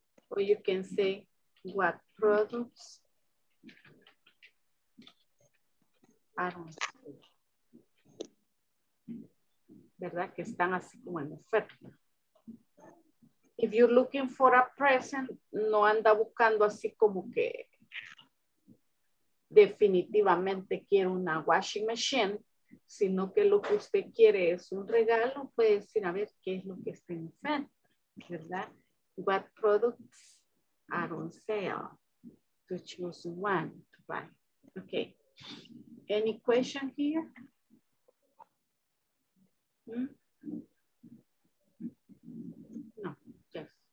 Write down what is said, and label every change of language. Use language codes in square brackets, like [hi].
[en] Or you can say what products are on sale. [es] ¿Verdad? Que están así como en oferta. [en] If you're looking for a present, [es] no anda buscando así como que definitivamente quiere una washing machine, sino que lo que usted quiere es un regalo, puede decir a ver qué es lo que está en oferta, ¿verdad? [en] What products are on sale to choose one to buy. Okay. Any question here? No, yes.